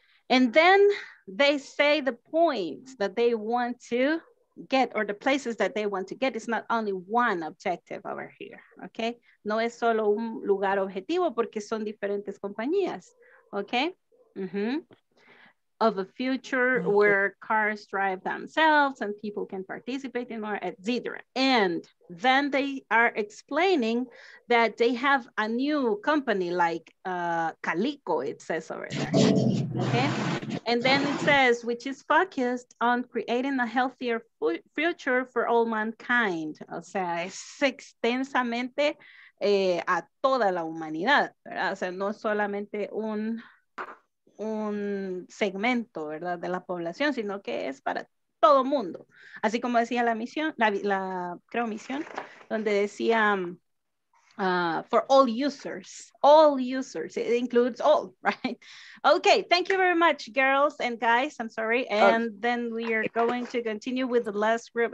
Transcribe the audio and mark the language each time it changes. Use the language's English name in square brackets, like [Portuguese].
[English] And then they say the points that they want to get, or the places that they want to get. It's not only one objective over here, okay? [Spanish] No es solo un lugar objetivo porque son diferentes compañías, okay? Mm-hmm. [English] Of a future where cars drive themselves and people can participate in more, et cetera. And then they are explaining that they have a new company like Calico, it says over there, okay? And then it says, which is focused on creating a healthier future for all mankind. [Spanish] O sea, es extensamente a toda la humanidad, ¿verdad? O sea, no solamente un segmento, ¿verdad? De la población, sino que es para todo mundo. Así como decía la misión, la creo misión, donde decía [English] for all users, it includes all, right? Okay, thank you very much, girls and guys, I'm sorry. And then we are going to continue with the last group.